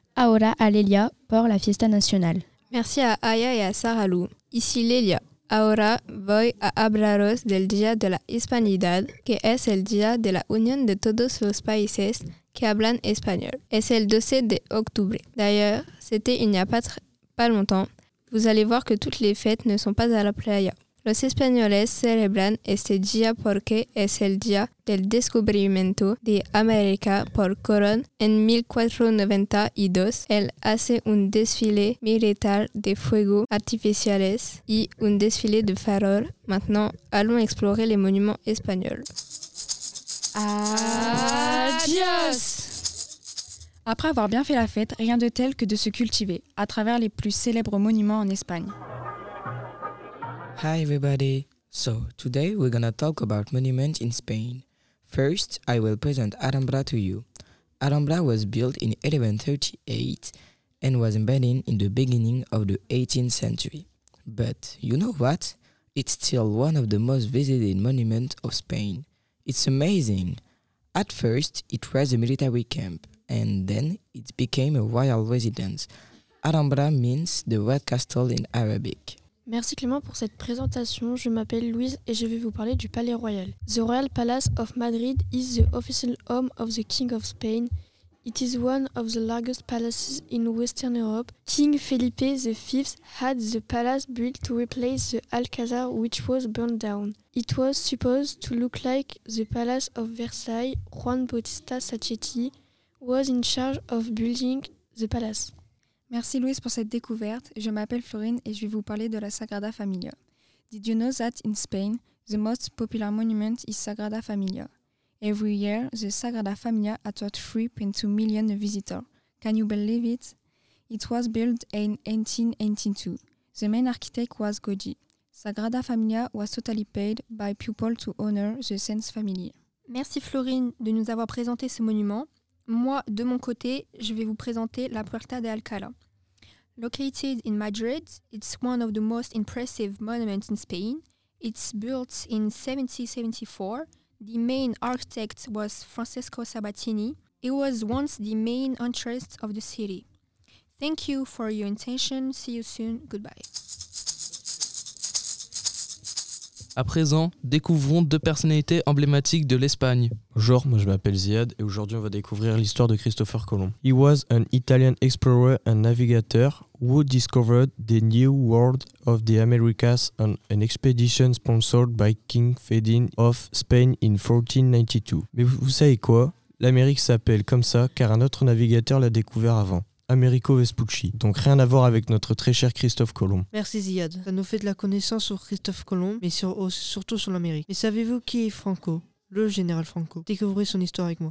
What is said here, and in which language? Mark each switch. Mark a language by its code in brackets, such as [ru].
[es] Ahora a Lelia por la fiesta nacional. [fr] Merci a Aya y a Sara Lou. Ici Lelia. [es] Ahora voy a hablaros del Día de la Hispanidad, que es el Día de la Unión de todos los países que hablan español. Es el 12 de octubre. [fr] D'ailleurs, c'était il n'y a pas longtemps. Vous allez voir que toutes les fêtes ne sont pas à la playa. [es] Los españoles celebran este día porque es el día del descubrimiento de América por Colón en 1492. Él hace un desfile militar de fuegos artificiales y un desfile de farol. [fr] Maintenant, allons explorer les monuments espagnols. [es] Adios! [fr] Après avoir bien fait la fête, rien de tel que de se cultiver à travers les plus célèbres monuments en Espagne. [en] Hi everybody. So, today we're gonna talk about monuments in Spain. First, I will present Alhambra to you. Alhambra was built in 1138 and was abandoned in the beginning of the 18th century. But, you know what? It's still one of the most visited monuments of Spain. It's amazing. At first, it was a military camp, and then it became a royal residence. Alhambra means the Red Castle in Arabic. [fr] Merci Clément pour cette présentation. Je m'appelle Louise et je vais vous parler du Palais Royal. [en] The Royal Palace of Madrid is the official home of the King of Spain. It is one of the largest palaces in Western Europe. King Felipe V had the palace built to replace the Alcazar, which was burned down. It was supposed to look like the Palace of Versailles. Juan Bautista Sacchetti was in charge of building the palace. [fr] Merci Louise pour cette découverte. Je m'appelle Florine et je vais vous parler de la Sagrada Familia. [en] Did you know that in Spain, the most popular monument is Sagrada Familia? Every year, the Sagrada Familia attracts 3.2 million visitors. Can you believe it? It was built in 1882. The main architect was Gaudí. Sagrada Familia was totally paid by people to honor the Saint's family. [fr] Merci Florine de nous avoir présenté ce monument. Moi, de mon côté, je vais vous présenter la Puerta de Alcalá. [en] Located in Madrid, it's one of the most impressive monuments in Spain. It's built in 1774. The main architect was Francesco Sabatini. It was once the main entrance of the city. Thank you for your attention. See you soon. Goodbye. [fr] À présent, découvrons deux personnalités emblématiques de l'Espagne. Bonjour, moi je m'appelle Ziad et aujourd'hui on va découvrir l'histoire de Christopher Colomb. [en] He was an Italian explorer and navigator who discovered the new world of the Americas on an expedition sponsored by King Ferdinand of Spain in 1492. [fr] Mais vous savez quoi? L'Amérique s'appelle comme ça car un autre navigateur l'a découvert avant. Américo Vespucci. Donc rien à voir avec notre très cher Christophe Colomb. Merci Ziad. Ça nous fait de la connaissance sur Christophe Colomb, mais surtout sur l'Amérique. Mais savez-vous qui est Franco? Le général Franco. Découvrez son histoire avec moi.